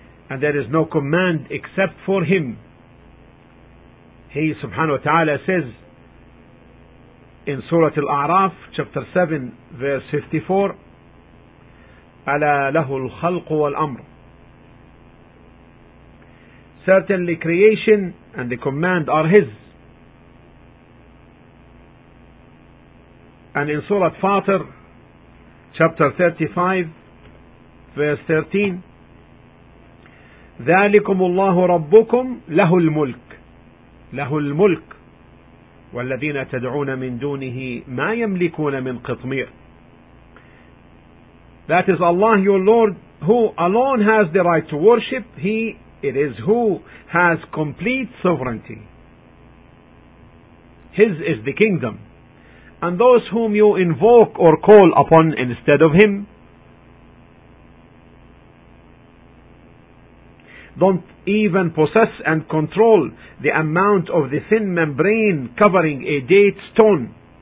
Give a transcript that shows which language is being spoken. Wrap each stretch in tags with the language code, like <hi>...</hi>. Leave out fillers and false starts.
<en>And there is no command except for Him. He subhanahu wa ta'ala says in Surah Al-A'raf, chapter 7, verse 54,</en> <ar>أَلَا لَهُ الْخَلْقُ وَالْأَمْرُ.</ar> <en>Certainly creation and the command are His. And in Surah Fatir, chapter 35, verse 13,</en> <ar>ذلكم الله ربكم له الملك له الملك والذين تدعون من دونه ما يملكون من قطمير.</ar> <en>That is Allah your Lord, who alone has the right to worship. It is who has complete sovereignty. His is the kingdom. And those whom you invoke or call upon instead of Him, don't even possess and control the amount of the thin membrane covering a date stone.</en>